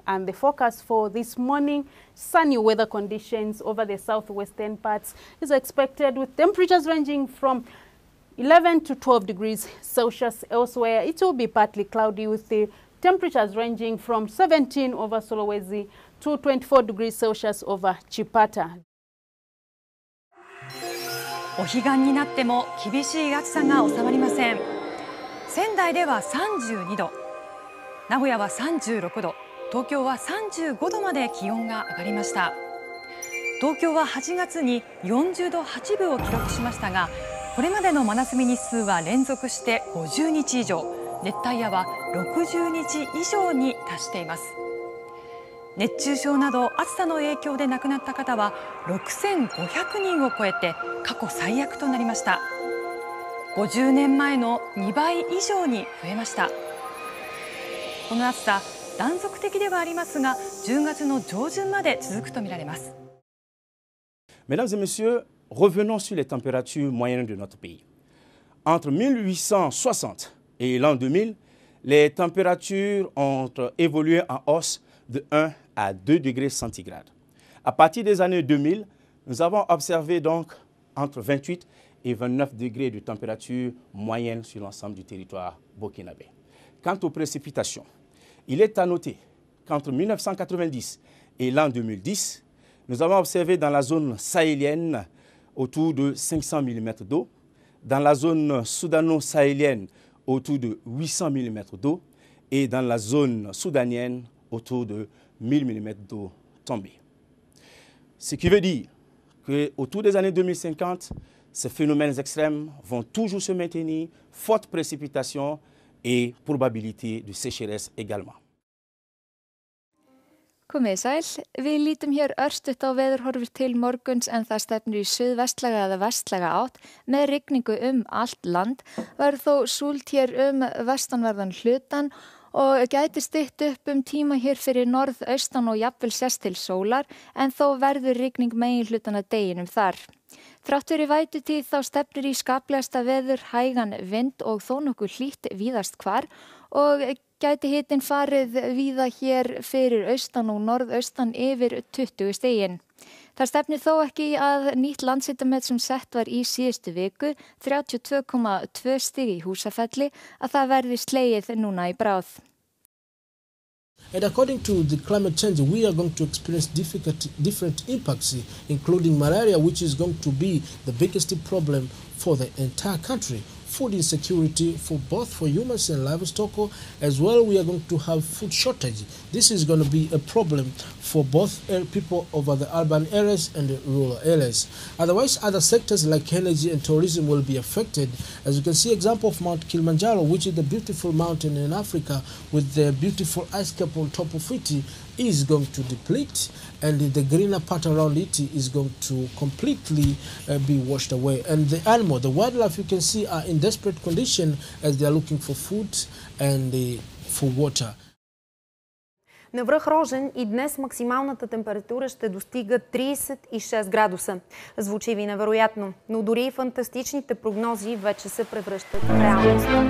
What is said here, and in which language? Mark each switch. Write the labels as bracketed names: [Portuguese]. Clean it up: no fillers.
[English] And the forecast for this morning, sunny weather conditions over the southwestern parts is expected with temperatures ranging from 11 to 12 degrees Celsius. Elsewhere, it will be partly cloudy with the temperatures ranging from 17 over Sulawesi to 24 degrees Celsius over Chipata. [Japanese] お彼岸になっても厳しい暑さが収まりません。仙台では 32度、 名古屋は 36度、 東京は 35度まで気温が上がりました。東京は 8月に 40度 8分を記録しましたが、 これまでの真夏日日数は連続して 50日以上、 熱帯夜は 60日以上に達しています。熱中症など暑さの影響で亡くなった方は 6500人を超えて過去最悪となりました。 50年前の 2倍以上に増えました。この暑さ、断続的ではありますが、10月の上旬まで続くとみられます。 [French] Mesdames et messieurs, revenons sur les températures moyennes de notre pays. Entre 1860 et l'an 2000, les températures ont évolué en hausse de 1 à 2 degrés centigrades. À partir des années 2000, nous avons observé donc entre 28 et 29 degrés de température moyenne sur l'ensemble du territoire burkinabé. Quant aux précipitations, il est à noter qu'entre 1990 et l'an 2010, nous avons observé dans la zone sahélienne autour de 500 mm d'eau, dans la zone soudano-sahélienne autour de 800 mm d'eau et dans la zone soudanienne autour de 1000 mm d'eau tombée. Ce qui veut dire qu'autour des années 2050, ces phénomènes extrêmes vont toujours se maintenir, fortes précipitations et probabilité de sécheresse également. [Icelandic] Komið sæl, við lítum hér örstutt á veðurhorfur til morguns en það stefnir í suðvestlaga eða vestlaga átt með rigningu allt land, verður þó súld hér vestanverðan hlutan og gæti stytt upp tíma hér fyrir norðaustan og jafnvel sest til sólar en þó verður rigning megin hlutan að deginum þar. Þrátt fyrir vætutíð þá stefnir í skaplegasta veður hægan vind og þó nokkuð hlýtt víðast hvar og gæti hitinn farið víða hér fyrir austan og norðaustan yfir 20 stigin. Það stefnir þó ekki að nýtt landshitamet sem sett var í síðustu viku, 32,2 stig í Húsafelli, að það verði slegið núna í bráð. [English] And according to the climate change, we are going to experience different impacts, including malaria, which is going to be the biggest problem for the entire country. Food insecurity for both for humans and livestock, as well we are going to have food shortage. This is going to be a problem for both people over the urban areas and the rural areas. Otherwise, other sectors like energy and tourism will be affected. As you can see, example of Mount Kilimanjaro, which is the beautiful mountain in Africa with the beautiful ice cap on top of it, is going to deplete, and the greener part around it is going to completely be washed away. And the animal, the wildlife, you can see are in desperate condition as they are looking for food and for water. [Bulgarian] На връх Рожен и днес максималната температура ще достига 36 градуса. Звучи ви невероятно, но дори и фантастичните прогнози вече се превръщат в реалност.